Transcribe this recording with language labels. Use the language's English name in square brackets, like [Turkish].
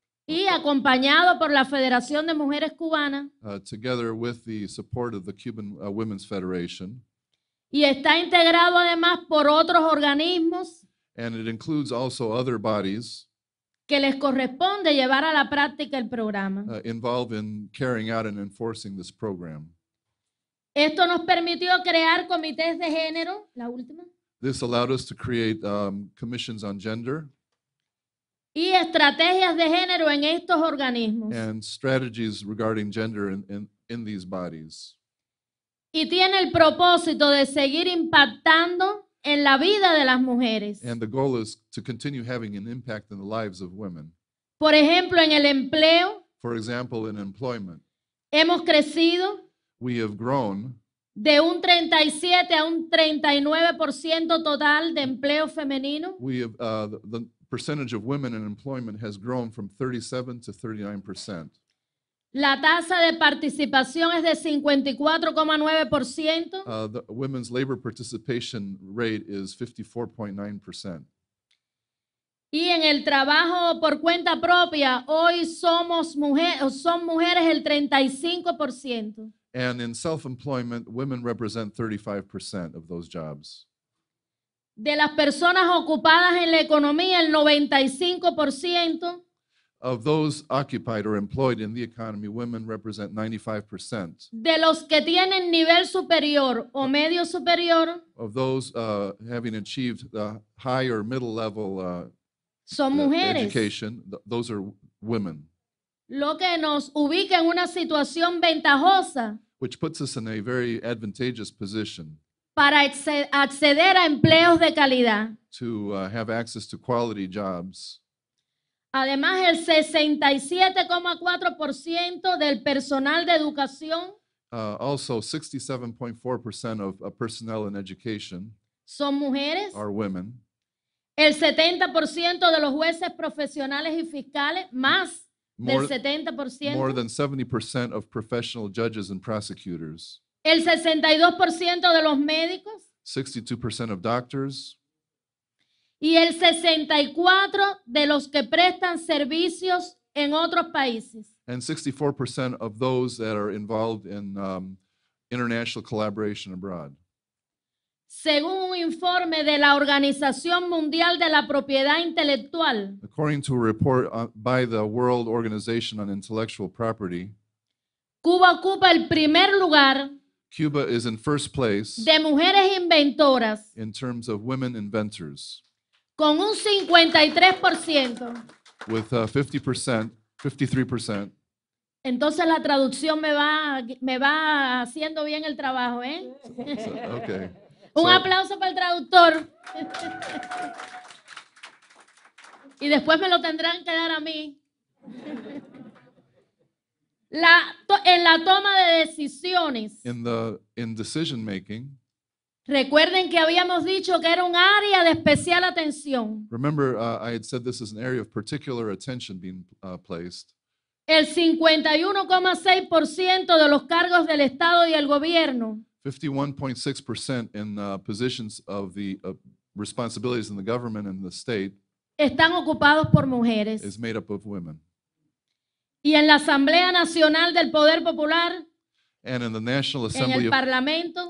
[Spanish] y acompañado por la Federación de Mujeres Cubanas, [English] together with the support of the Cuban Women's Federation, [Spanish] y está integrado además por otros organismos, [English] and it includes also other bodies [Spanish] que les corresponde llevar a la práctica el programa. [English] Involved in carrying out and enforcing this program. [Spanish] Esto nos permitió crear comités de género, la última. [English] This allowed us to create commissions on gender. [Spanish] Y estrategias de género en estos organismos. [English] And strategies regarding gender in these bodies. [Spanish] Y tiene el propósito de seguir impactando en la vida de las mujeres. [English] And the goal is to continue having an impact in the lives of women. [Spanish] Por ejemplo, en el empleo. [English] For example, in employment. [Spanish] Hemos crecido. [English] We have grown. [Spanish] De un 37 a un 39% total de empleo femenino. [English] We have, the, percentage of women in employment has grown from 37 to 39%. [Spanish] La tasa de participación es de 54.9%. [English] The women's labor participation rate is 54.9%. [Spanish] Y en el trabajo por cuenta propia, hoy somos mujeres, son mujeres el 35%. [English] And in self-employment, women represent 35% of those jobs. [Spanish] De las personas ocupadas en la economía, el 95%. [English] Of those occupied or employed in the economy, women represent 95%. [Spanish] De los que tienen nivel superior o medio superior. [English] Of those having achieved the high or middle level [Spanish] son mujeres. [English] Education, those are women. [Spanish] Lo que nos ubica en una situación ventajosa. [English] Which puts us in a very advantageous position. [Spanish] Para acceder a empleos de calidad. [English] To have access to quality jobs. [Spanish] Además, el 67.4% del personal de educación. [English] Also, 67.4% of personnel in education. [Spanish] Son mujeres. [English] Are women. [Spanish] El 70% de los jueces profesionales y fiscales, más del 70%. [English] More than 70% of professional judges and prosecutors. [Spanish] El 62% de los médicos. [English] 62% of doctors. [Spanish] Y el 64% de los que prestan servicios en otros países. [English] And 64% of those that are involved in international collaboration abroad. [Spanish] Según un informe de la Organización Mundial de la Propiedad Intelectual. [English] According to a report by the World Organization on Intellectual Property. [Spanish] Cuba ocupa el primer lugar. [English] Cuba is in first place. [Spanish] De mujeres inventoras. [English] In terms of women inventors. [Spanish] Con un 53%. [English] With 50%, 53%. [Spanish] Entonces la traducción me va haciendo bien el trabajo, ¿eh? [English] Okay. [Spanish] Un aplauso para el traductor. Y después me lo tendrán que dar a mí. En la toma de decisiones. [English] In decision making. [Spanish] Recuerden que habíamos dicho que era un área de especial atención. [English] Remember, I had said this is an area of particular attention being placed. [Spanish] El 51.6% de los cargos del Estado y el gobierno. [English] 51.6% in positions of the responsibilities in the government and the state. [Spanish] Están ocupados por mujeres. [English] Is made up of women. [Spanish] Y en la Asamblea Nacional del Poder Popular. [English] And in the National Assembly [Spanish] en el Parlamento,